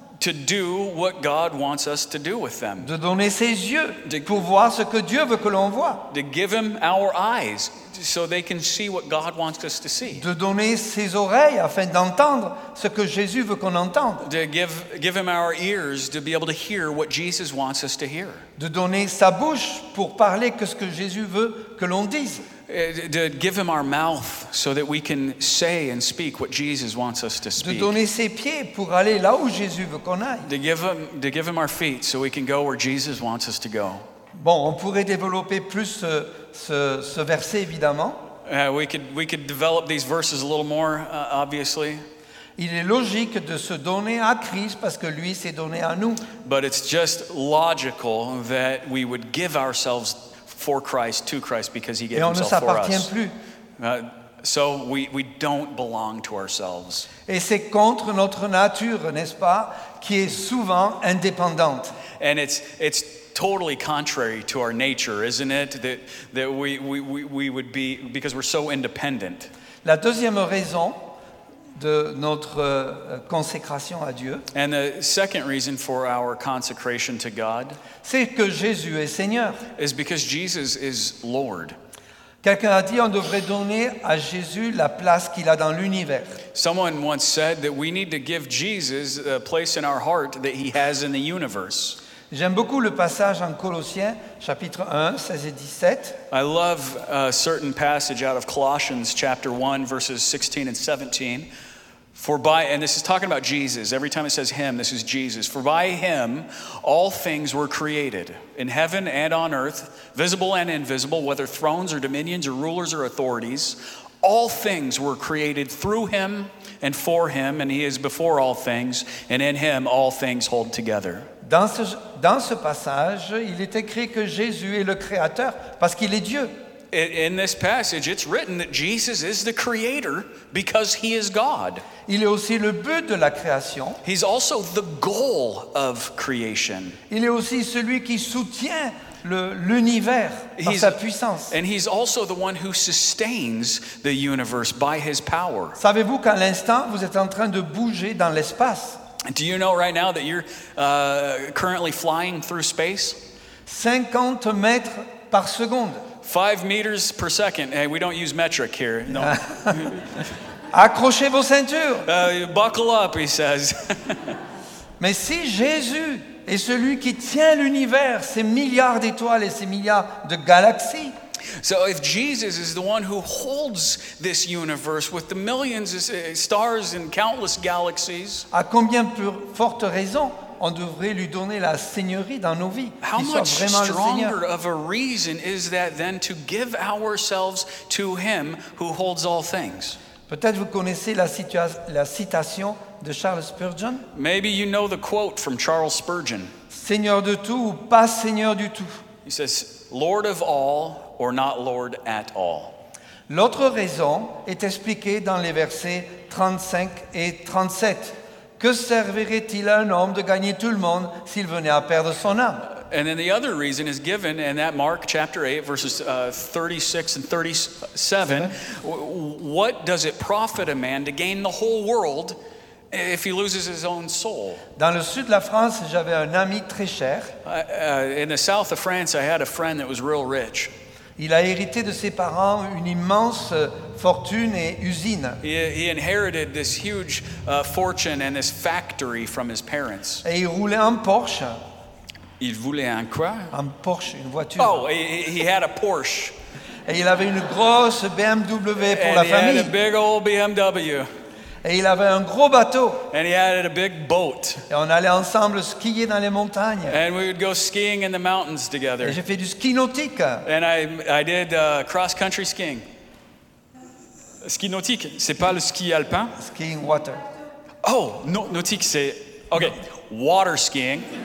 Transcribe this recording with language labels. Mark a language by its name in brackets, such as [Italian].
[English] To do what God wants us to do with them. [French] De donner ses yeux pour voir ce que Dieu veut que l'on voit. [English] To give him our eyes so they can see what God wants us to see. [French] De donner ses oreilles afin d'entendre ce que Jésus veut qu'on entende. [English] To give him our ears to be able to hear what Jesus wants us to hear. [French] De donner sa bouche pour parler que ce que Jésus veut que l'on dise. [English] To give him our mouth so that we can say and speak what Jesus wants us to speak. [French] De donner ses pieds pour aller là où Jésus veut qu'on aille. [English] To give him our feet so we can go where Jesus wants us to go. [French] Bon, on pourrait développer plus ce verset, évidemment. [English] We could develop these verses a little more, obviously. [French] Il est logique de se donner à Christ parce que lui s'est donné à nous. [English] But it's just logical that we would give ourselves for Christ, to Christ, because he gave himself for us. [French] Et on ne s'appartient plus. [English] So we don't belong to ourselves. [French] Et c'est contre notre nature, n'est-ce pas, qui est souvent indépendante. [English] And it's totally contrary to our nature, isn't it, that we would be, because we're so independent. [French] La deuxième raison de notre consécration à Dieu. [English] And the second reason for our consecration to God, [French] c'est que Jésus est Seigneur. [English] Is because Jesus is Lord. [French] Quelqu'un a dit on devrait donner à Jésus la place qu'il a dans l'univers. [English] Someone once said that we need to give Jesus a place in our heart that he has in the universe. [French] J'aime beaucoup le passage en Colossiens, chapitre 1, 16 et 17. [English] I love a certain passage out of Colossians, chapter 1, verses 16 and 17. And this is talking about Jesus. Every time it says him, this is Jesus. For by him all things were created, in heaven and on earth, visible and invisible, whether thrones or dominions or rulers or authorities. All things were created through him and for him, and he is before all things, and in him all things hold together. [French] Dans ce passage, il est écrit que Jésus est le créateur parce qu'il est Dieu. [English] In this passage, it's written that Jesus is the creator because he is God. [French] Il est aussi le but de la création. [English] He's also the goal of creation. [French] Il est aussi celui qui soutient l'univers par sa puissance. [English] And he's also the one who sustains the universe by his power. [French] Savez-vous qu'à l'instant, vous êtes en train de bouger dans l'espace? [English] Do you know right now that you're currently flying through space? [French] 50 mètres par seconde. [English] 5 meters per second. Hey, we don't use metric here. No. [French] Accrochez vos ceintures. [English] Buckle up, he says. [French] Mais si Jésus est celui qui tient l'univers, ses milliards d'étoiles et ses milliards de galaxies. [English] So if Jesus is the one who holds this universe with the millions of stars and countless galaxies, [French] à combien plus forte raison on devrait lui donner la seigneurie dans nos vies? [English] How much stronger of a reason is that then to give ourselves to him who holds all things? [French] Peut-être vous connaissez la citation de Charles Spurgeon. [English] Maybe you know the quote from Charles Spurgeon. [French] Seigneur de tout ou pas seigneur du tout. [English] He says, Lord of all or not Lord at all. [French] L'autre raison est expliquée dans les versets 35 et 37. Que servirait-il à un homme de gagner tout le monde s'il venait à perdre son âme? [English] And then the other reason is given in that Mark chapter 8, verses 36 and 37. What does it profit a man to gain the whole world if he loses his own soul? [French] Dans le sud de la France, j'avais un ami très cher. [English] In the south of France, I had a friend that was real rich. [French] Il a hérité de ses parents une immense fortune et usine. [English] He inherited this huge fortune and this factory from his parents. [French] Et il roulait en Porsche. Il voulait un quoi? Un Porsche, une voiture. [English] Oh, he had a Porsche. [French] Et il avait une grosse BMW pour [English] and [French] la famille. [English] He had a big old BMW. [French] Et il avait un gros bateau. [English] And he had a big boat. [French] Et on allait ensemble skier dans les montagnes. [English] And we would go skiing in the mountains together. [French] Et j'ai fait du ski nautique. [English] And I did cross-country skiing. [French] Ski nautique, c'est pas le ski alpin? [English] Skiing water. Oh, no, [French] nautique, c'est... [English] Okay, no. Water skiing.